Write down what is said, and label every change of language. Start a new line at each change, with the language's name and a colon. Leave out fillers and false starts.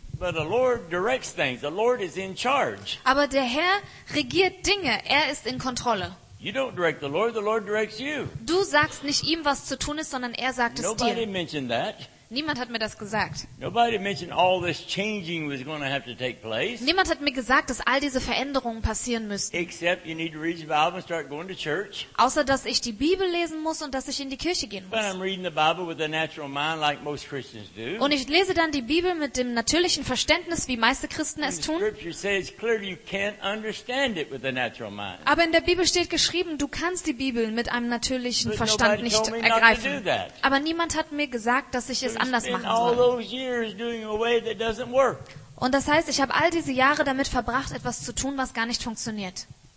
German: Aber der Herr regiert Dinge, er ist in Kontrolle.
English: You don't direct the Lord directs you.
German: Du sagst nicht ihm, was zu tun ist, sondern er sagt es
English: Nobody
German: dir.
English: Mentioned that.
German: Niemand hat mir das gesagt.
English: Nobody mentioned all this changing was going to have to take place.
German: Niemand hat mir gesagt, dass all diese Veränderungen passieren müssten.
English: Except you need to read your Bible and start going to church.
German: Außer dass ich die Bibel lesen muss und dass ich in die Kirche gehen muss.
English: But I'm reading the Bible with a natural mind like most Christians do.
German: Und ich lese dann die Bibel mit dem natürlichen Verständnis, wie meiste Christen es tun.
English: The scripture says clearly you can't understand it with a natural mind.
German: Aber in der Bibel steht geschrieben, du kannst die Bibel mit einem natürlichen Verstand nicht ergreifen. Aber niemand hat mir gesagt, dass ich es anders machen soll. Und das heißt, ich habe all diese Jahre damit verbracht, etwas zu tun, was gar nicht funktioniert.